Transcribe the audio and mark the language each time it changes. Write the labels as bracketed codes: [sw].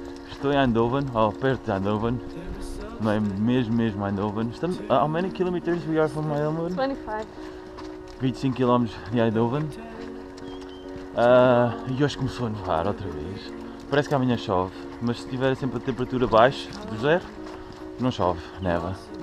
[pt] Estou em Eindhoven, ou perto de Eindhoven, não é mesmo Eindhoven. Estamos, [en] how many kilometers we are from Eindhoven? 25. [pt] 25 km de Eindhoven. E hoje começou a nevar outra vez. Parece que amanhã chove, mas se tiver sempre a temperatura baixa, do zero, não chove, neva.